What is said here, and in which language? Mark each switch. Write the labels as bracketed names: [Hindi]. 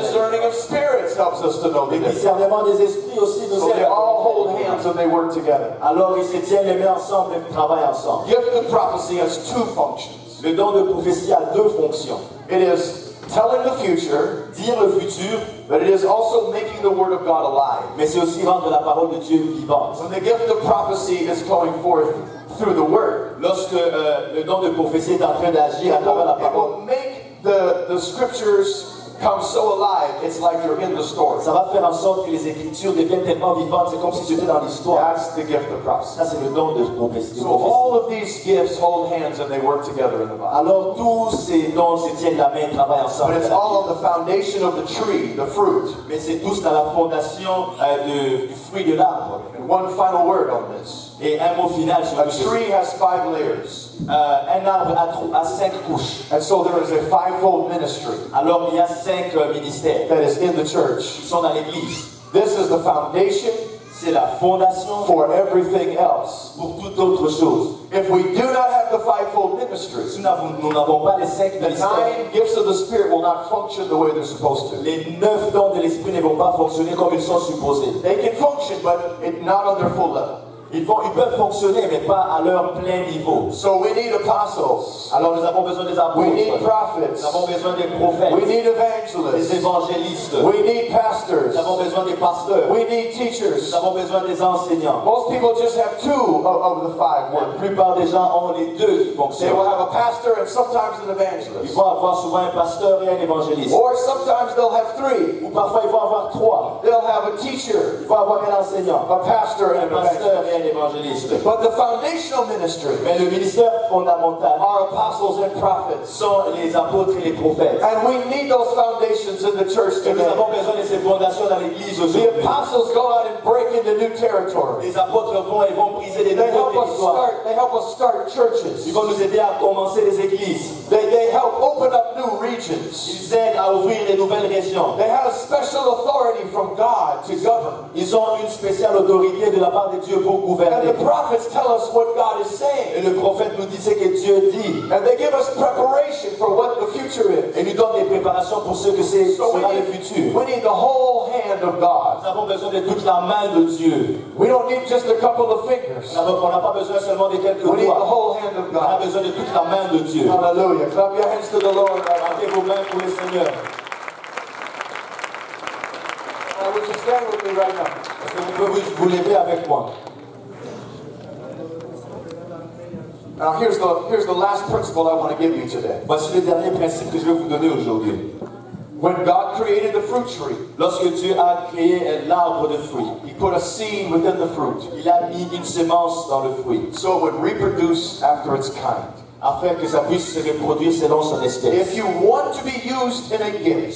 [English] And the discerning of spirits helps us to know the difference. [French] Et le discernement des esprits aussi nous aide. [English] So they all hold hands and they work together. [French] Alors ils se tiennent les mains ensemble et travaillent ensemble. [English] Gift of prophecy has two functions. [French] Le don de prophétie a deux fonctions. [English] It is telling the future, [French] dire le futur, [English] but it is also making the word of God alive. [French] Mais c'est aussi rendre la parole de Dieu vivante. [English] When the gift of prophecy is going forth through the word, [French] lorsque le don de prophétie est en train d'agir à travers la parole, [English] it will make the scriptures come so alive, it's like you're in the story. [French] Ça va faire en sorte que les écritures deviennent tellement vivantes, c'est comme si tu étais dans l'histoire. [English] That's the gift of prophecy. [French] Ça c'est le don de prophétie. [English] So all of these gifts hold hands and they work together in the body. [French] Alors tous ces dons se tiennent la main et travaillent ensemble. [English] But it's all on the foundation of the tree, the fruit. [French] Mais c'est tous dans la fondation du fruit de l'arbre. [English] And one final word on this. [French] Et un mot final sur [English] a tree has five layers. [French] Un arbre a cinq couches. [English] And so there is a fivefold ministry. [French] Alors il y a cinq ministères. [English] That is in the church. [French] Ils sont dans l'église. [English] This is the foundation. [French] C'est la fondation. [English] For everything else. [French] Pour toute autre chose. [English] If we do not have the fivefold ministry, [French] si nous n'avons pas les cinq ministères, [English] the nine gifts of the Spirit will not function the way they're supposed to. [French] Les neuf dons de l'esprit ne vont pas fonctionner comme ils sont supposés. [English] They can function, but it's not on their full level. [French] Ils peuvent fonctionner, mais pas à leur plein niveau. [English] So we need apostles. [French] Alors nous avons besoin des apôtres. [English] We need prophets. [French] Nous avons besoin des prophètes. [English] We need evangelists. [French] Des évangélistes. [English] We need pastors. [French] Nous avons besoin des pasteurs. [English] We need teachers. [French] Nous avons besoin des enseignants. [English] Most people just have two of the five. [French] La plupart des gens ont les deux qui fonctionnent. [English] They will have a pastor and sometimes an evangelist. [French] Ils vont avoir souvent un pasteur et un évangéliste. [English] Or sometimes they'll have three. [French] Ou parfois ils vont avoir trois. [English] They'll have a teacher. [French] Ils vont avoir un enseignant. [English] A pastor and [French] un pasteur. [English] But the foundational ministry, [French] mais le ministère fondamental, [English] are apostles and prophets, [French] sont les apôtres et les prophètes. [English] And we need those foundations in the church today. [French] Et nous avons besoin de ces fondations dans l'église aujourd'hui. [English] The apostles go out and break into new territory. [French] Les apôtres vont et vont briser des nouveaux territoires. [English] They help us start churches. [French] Ils vont nous aider à commencer des églises. [English] They help open up new regions. [French] Ils aident à ouvrir des nouvelles régions. [English] They have a special authority from God to govern. [French] Ils ont une spéciale autorité de la part de Dieu. [English] And the prophets tell us what God is saying. [French] Et le prophète nous dit ce que Dieu dit. [English] And they give us preparation for what the future is. [French] Et nous donne des préparations pour ce que sera le futur. [English] We need the whole hand of God. [French] Nous avons besoin de toute la main de Dieu. [English] We don't need just a couple of fingers. [French] On n'a pas besoin seulement de quelques doigts. [English] We need the whole hand of God. [French] On a besoin de toute la main de Dieu. [English] Hallelujah. Clap your hands to the Lord. [French] Clappez vos mains pour le Seigneur. [English] Would you stand with me right now? [French] Est-ce que vous pouvez vous lever avec moi? [English] Now here's the last principle I want to give you today. [French] Voici le dernier principe que je vais vous donner aujourd'hui. [English] When God created the fruit tree, [French] lorsque Dieu a créé l'arbre de fruit, [English] He put a seed within the fruit. [French] Il a mis une semence dans le fruit. [English] So it would reproduce after its kind. [French] Afin que ça puisse se reproduire selon son espèce. [English] If you want to be used in a gift,